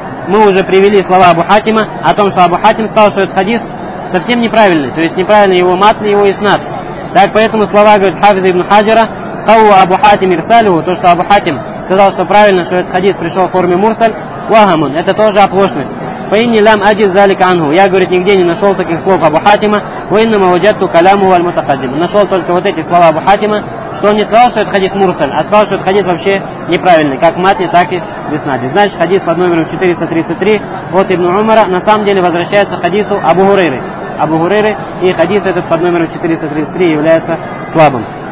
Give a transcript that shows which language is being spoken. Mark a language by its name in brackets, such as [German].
[Russian] Мы уже привели слова Абу Хатима о том, что Абу Хатим сказал, что этот хадис совсем неправильный, то есть неправильный его матн, его иснад. Так, поэтому слова, говорит Хафиз ибн Хаджара, «Кавва Абу Хатим ирсалю», то, что Абу Хатим сказал, что правильно, что этот хадис пришел в форме мурсаль, «Вахамун», это тоже оплошность. [Arabic] فإني لم أجد ذلك عنه. [Russian] Я, говорит, нигде не нашел таких слов Абу Хатима. [Arabic] وإنما وجدت كلامه المتقدم. [Russian] Нашел только вот эти слова Абу Хатима, что он не сказал, что это хадис мурсаль, а сказал, что это хадис вообще неправильный, как в матне, так и в иснаде. Значит, хадис под номером 433 от ибн Умара на самом деле возвращается к хадису Абу Хурейры. Абу Хурейры, и хадис этот под номером 433 является слабым.